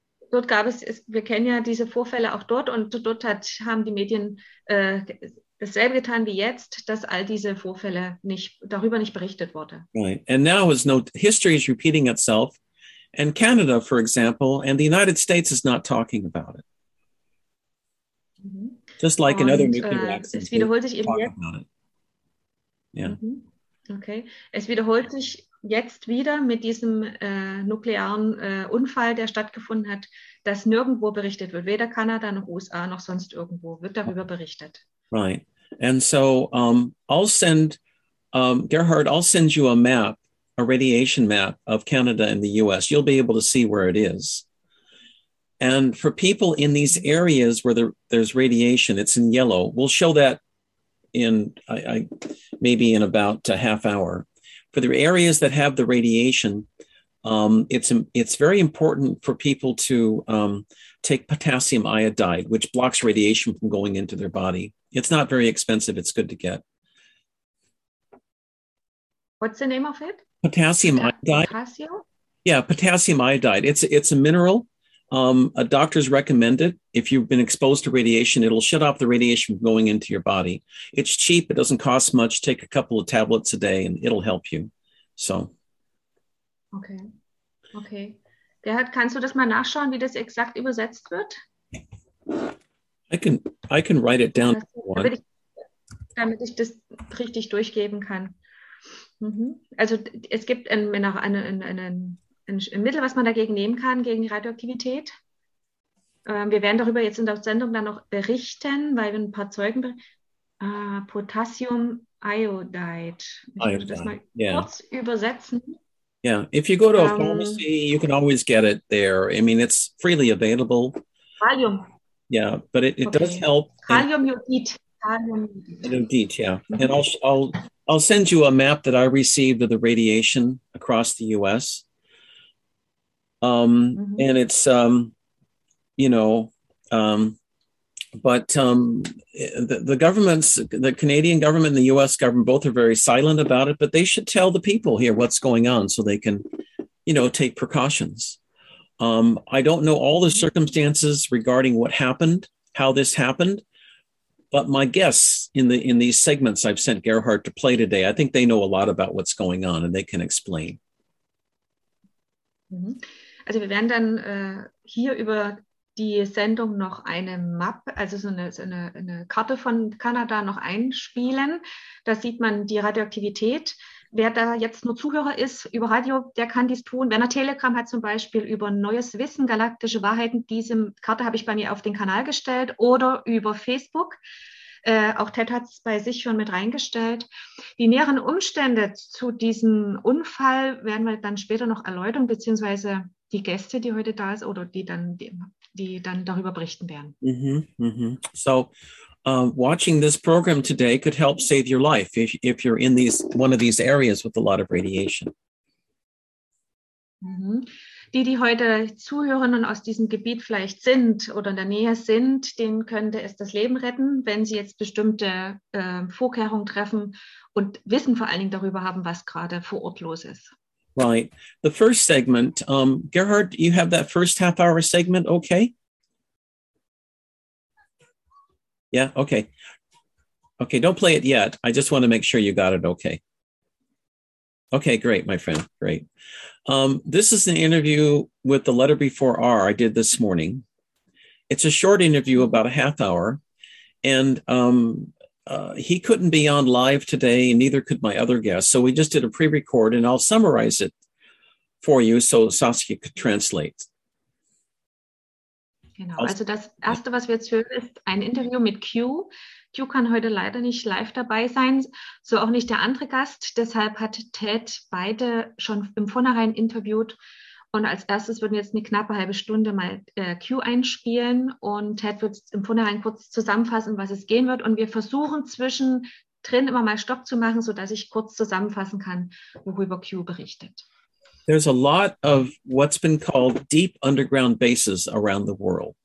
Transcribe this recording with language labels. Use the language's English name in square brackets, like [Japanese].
[German] Dort gab es, wir kennen ja diese Vorfälle auch dort und dort haben die Medien... dasselbe getan wie jetzt, dass all diese Vorfälle darüber nicht berichtet wurde. [English] Right. And now is no history is repeating itself. And Canada, for example, and the United States is not talking about it. Mm-hmm. Just like another nuclear accident. [German] Es wiederholt sich eben jetzt. [English] Yeah. Mm-hmm. Okay. [German] Es wiederholt sich jetzt wieder mit diesem nuklearen Unfall, der stattgefunden hat, dass nirgendwo berichtet wird. Weder Kanada noch USA noch sonst irgendwo wird darüber berichtet. [English] Right. And so I'll send, Gerhard, I'll send you a map, a radiation map of Canada and the U.S. You'll be able to see where it is. And for people in these areas where there's radiation, it's in yellow. We'll show that in maybe in about a half hour. For the areas that have the radiation, it's very important for people to take potassium iodide, which blocks radiation from going into their body. It's not very expensive. It's good to get. What's the name of it? Potassium iodide. It's a mineral. A doctor's recommend it. If you've been exposed to radiation, it'll shut off the radiation from going into your body. It's cheap. It doesn't cost much. Take a couple of tablets a day and it'll help you. So. Okay. [German] Gerhard, kannst du das mal nachschauen, wie das exakt übersetzt wird? [English] I can write it down. [German] Damit ich das richtig durchgeben kann. Mhm. Also es gibt ein Mittel, was man dagegen nehmen kann, gegen die Radioaktivität. Wir werden darüber jetzt in der Sendung dann noch berichten, weil wir ein paar Zeugen Potassium Iodide. Kurz übersetzen. [English] Yeah, if you go to a pharmacy, you can always get it there. I mean, it's freely available. [German] Kalium. [English] Yeah, but it does help. [German] Kalium Iodid. Kalium Iodid. Yeah, mm-hmm. [English] And I'll send you a map that I received of the radiation across the U.S. And it's the governments, the Canadian government and the U.S. government, both are very silent about it, but they should tell the people here what's going on so they can, you know, take precautions. I don't know all the circumstances regarding what happened, how this happened, but my guess in these segments I've sent Gerhard to play today, I think they know a lot about what's going on and they can explain. [German] Also wir werden dann hier über die Sendung noch eine Map, also so eine Karte von Kanada noch einspielen. Da sieht man die Radioaktivität. Wer da jetzt nur Zuhörer ist über Radio, der kann dies tun. Wenn er Telegram hat zum Beispiel über Neues Wissen, Galaktische Wahrheiten, diese Karte habe ich bei mir auf den Kanal gestellt, oder über Facebook. Auch Ted hat es bei sich schon mit reingestellt. Die näheren Umstände zu diesem Unfall werden wir dann später noch erläutern, beziehungsweise die Gäste, die heute da sind oder die dann darüber berichten werden. [English] So, watching this program today could help save your life if you're in one of these areas with a lot of radiation. Mm-hmm. [German] Die heute zuhören und aus diesem Gebiet vielleicht sind oder in der Nähe sind, denen könnte es das Leben retten, wenn sie jetzt bestimmte Vorkehrungen treffen und Wissen vor allen Dingen darüber haben, was gerade vor Ort los ist. [English] Right. The first segment, Gerhard, you have that first half hour segment, okay? Yeah, okay. Okay, don't play it yet. I just want to make sure you got it okay. Okay, great, my friend, great. This is an interview with the letter before R I did this morning. It's a short interview, about a half hour. And he couldn't be on live today, and neither could my other guest. So we just did a pre-record, and I'll summarize it for you so Saskia could translate. [German] Genau, also das Erste, was wir jetzt hören, ist ein Interview mit Q. Q kann heute leider nicht live dabei sein, so auch nicht der andere Gast. Deshalb hat Ted beide schon im Vornherein interviewt. Und als Erstes würden wir jetzt eine knappe halbe Stunde mal Q einspielen. Und Ted wird im Vornherein kurz zusammenfassen, was es gehen wird. Und wir versuchen zwischendrin immer mal Stopp zu machen, sodass ich kurz zusammenfassen kann, worüber Q berichtet. [English] There's a lot of what's been called deep underground bases around the world.